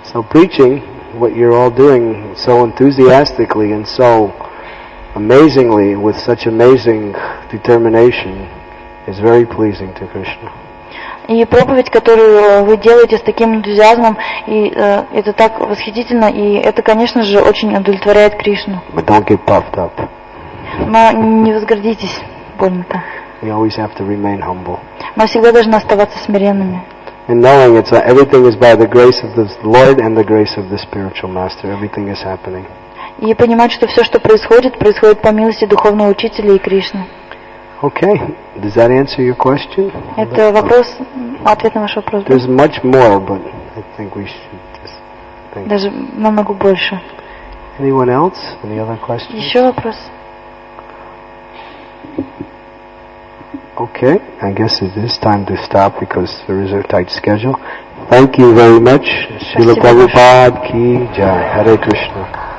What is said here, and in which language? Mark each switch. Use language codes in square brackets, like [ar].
[en] So preaching what you're all doing so enthusiastically and so amazingly with such amazing determination is very pleasing to Krishna. [ru] и проповедь, которую вы делаете с таким энтузиазмом, и это так восхитительно, и это, конечно же, очень удовлетворяет Кришну. [en] But don't get puffed up. [ru] Но не возгордитесь больно-то. [en] We always have to remain humble. [ru] Мы всегда должны оставаться смиренными. [en] And knowing it's that everything is by the grace of the Lord and the grace of the spiritual master. Everything is happening. [ru] И понимать, что все, что происходит, происходит по милости духовного учителя и Кришны. [en] Okay, does that answer your question? [ru] Это вопрос, ответ на ваш вопрос. [en] There's much more, but I think we should just think. [ru] Даже намного больше. [en] Anyone else? Any other questions? [ru] Еще вопрос. [en] Okay, I guess it is time to stop because there is a tight schedule. Thank you very much. Srila Prabhupada Ki Jai. Hare Krishna.